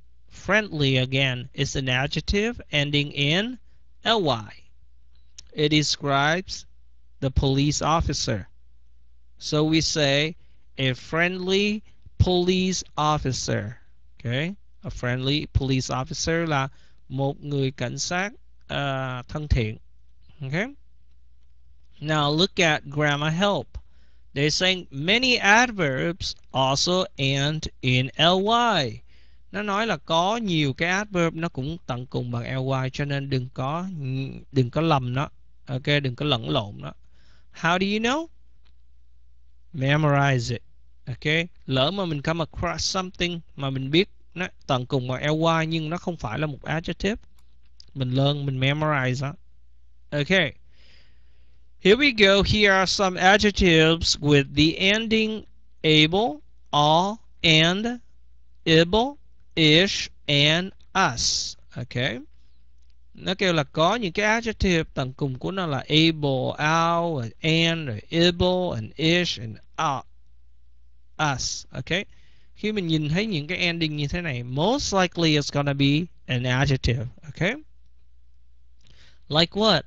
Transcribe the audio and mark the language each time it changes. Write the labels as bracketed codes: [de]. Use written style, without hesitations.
[en] Friendly again is an adjective ending in ly. It describes the police officer. So we say a friendly police officer. [vi] Okay, [en] a friendly police officer [vi] là một người cảnh sát thân thiện. [en] Okay. Now look at grammar help. They're saying many adverbs also end in ly. [vi] Nó nói là có nhiều cái adverb nó cũng tận cùng bằng ly, cho nên đừng có lầm nó. [en] Okay, [vi] đừng có lẫn lộn nó. [en] How do you know? Memorize it. Okay. [vi] Lỡ mà mình [en] come across something [vi] mà mình biết nó tận cùng bằng ly nhưng nó không phải là một adjective, mình learn, mình memorize đó. [en] Okay. Here we go. Here are some adjectives with the ending able, all, and, able, ish, and us. Okay. [vi] Nó kêu là có những cái adjective tận cùng của nó là able, all, and, able, and ish, and us. Okay. Khi mình nhìn thấy những cái ending như thế này, [en] most likely it's gonna be an adjective. [vi] Okay. [en] Like what?